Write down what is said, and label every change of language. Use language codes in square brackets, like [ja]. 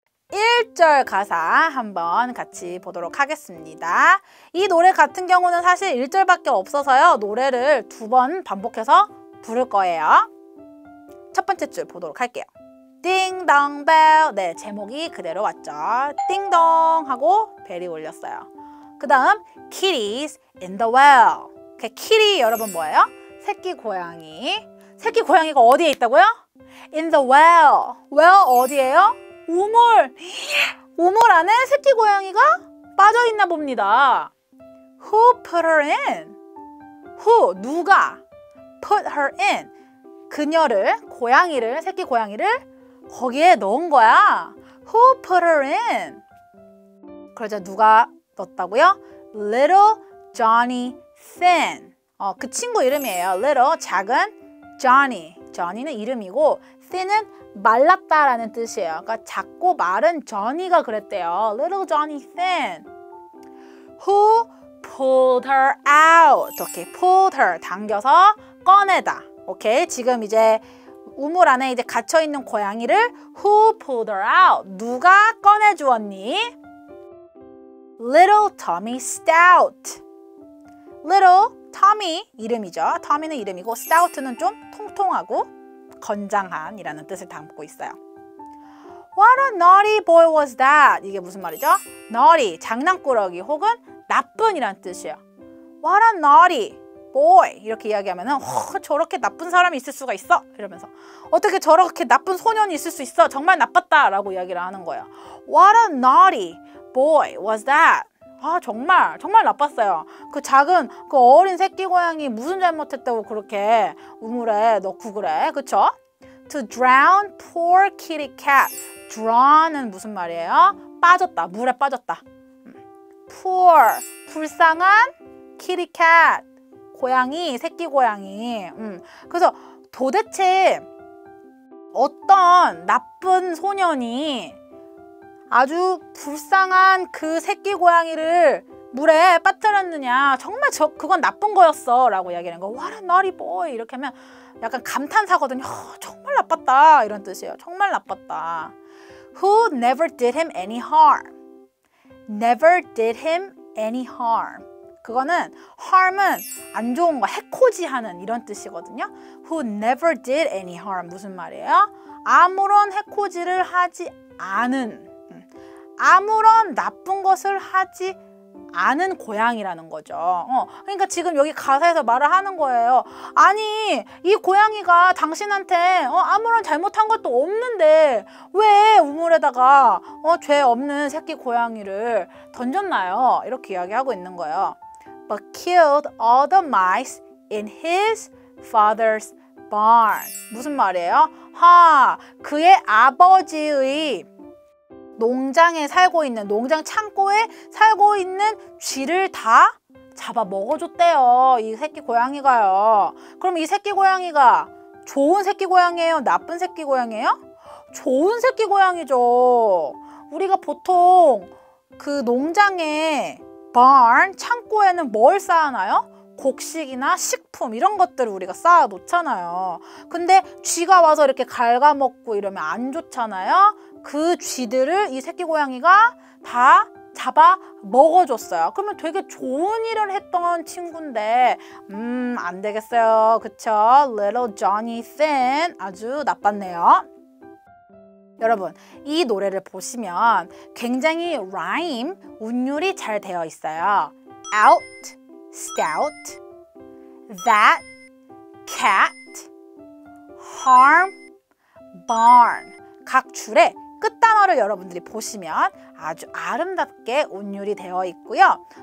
[ko] 1절 가사 한번 같이 보도록 하겠습니다. 이 노래 같은 경우는 사실 1절밖에 없어서요, 노래를 두 번 반복해서 부를 거예요. 첫 번째 줄 보도록 할게요. 딩동벨. 네, 제목이 그대로 왔죠. 딩동 하고 벨이 울렸어요. 그 다음 [en] kitties in the well. [ko] 그 kitty 여러분 뭐예요? 새끼 고양이. 새끼 고양이가 어디에 있다고요? [en] In the well. [ko] well 어디예요? 우물! 우물 안에 새끼 고양이가 빠져있나 봅니다. [en] Who put her in? Who? [ko] 누가? [en] Put her in? [ko] 그녀를, 고양이를, 새끼 고양이를 거기에 넣은 거야. [en] Who put her in? [ko] 그러자 누가 넣었다고요? [en] Little Johnny Finn. [ko] 그 친구 이름이에요. Little, 작은 Johnny. Johnny는 이름이고 Finn은 말랐다 라는 뜻이에요. 그러니까 작고 마른 Johnny가 그랬대요. [en] Little Johnny Finn. Who pulled her out? 오케이, pulled her. [ko] 당겨서 꺼내다. 오케이, 지금 이제 우물 안에 이제 갇혀있는 고양이를 [en] Who pulled her out? [ko] 누가 꺼내주었니? [en] Little Tommy Stout. [ko] Little Tommy 이름이죠. Tommy는 이름이고 Stout는 좀 통통하고 건장한 이라는 뜻을 담고 있어요. [en] What a naughty boy was that? [ko] 이게 무슨 말이죠? Naughty, 장난꾸러기 혹은 나쁜 이라는 뜻이에요. [en] What a naughty boy. [ko] 이렇게 이야기하면 저렇게 나쁜 사람이 있을 수가 있어? 이러면서 어떻게 저렇게 나쁜 소년이 있을 수 있어? 정말 나빴다 라고 이야기를 하는 거예요. [en] What a naughty boy was that? [ko] 정말 나빴어요. 그 작은, 그 어린 새끼 고양이 무슨 잘못했다고 그렇게 우물에 넣고 그래. 그쵸? [en] To drown poor kitty cat. [ko] Drown은 무슨 말이에요? 빠졌다. 물에 빠졌다. Poor. 불쌍한 kitty cat. 고양이, 새끼 고양이. 그래서 도대체 어떤 나쁜 소년이 아주 불쌍한 그 새끼 고양이를 물에 빠뜨렸느냐. 정말 그건 나쁜 거였어. 라고 이야기하는 거. [en] What a naughty boy. [ko] 이렇게 하면 약간 감탄사거든요. 정말 나빴다. 이런 뜻이에요. 정말 나빴다. [en] Who never did him any harm? Never did him any harm. [ko] 그거는 harm은 안 좋은 거, 해코지하는 이런 뜻이거든요. [en] Who never did any harm. [ko] 무슨 말이에요? 아무런 해코지를 하지 않은. 아무런 나쁜 것을 하지 않은 고양이라는 거죠. 그러니까 지금 여기 가사에서 말을 하는 거예요. 아니, 이 고양이가 당신한테 아무런 잘못한 것도 없는데 왜 우물에다가 죄 없는 새끼 고양이를 던졌나요? 이렇게 이야기하고 있는 거예요. [en] But killed all the mice in his father's barn. [ko] 무슨 말이에요? 그의 아버지의 농장에 살고 있는, 농장 창고에 살고 있는 쥐를 다 잡아먹어줬대요. 이 새끼 고양이가요. 그럼 이 새끼 고양이가 좋은 새끼 고양이에요? 나쁜 새끼 고양이에요? 좋은 새끼 고양이죠. 우리가 보통 그 농장에, barn, 창고에는 뭘 쌓아놔요? 곡식이나 식품 이런 것들을 우리가 쌓아놓잖아요. 근데 쥐가 와서 이렇게 갉아먹고 이러면 안 좋잖아요. 그 쥐들을 이 새끼 고양이가 다 잡아 먹어줬어요. 그러면 되게 좋은 일을 했던 친구인데 안 되겠어요. 그쵸? Little Johnny Finn 아주 나빴네요. 여러분, 이 노래를 보시면 굉장히 라임, 운율이 잘 되어 있어요. Out, Stout, That, Cat, Harm, Barn 각 줄에 끝단어를 여러분들이 보시면 아주 아름답게 운율이 되어 있고요.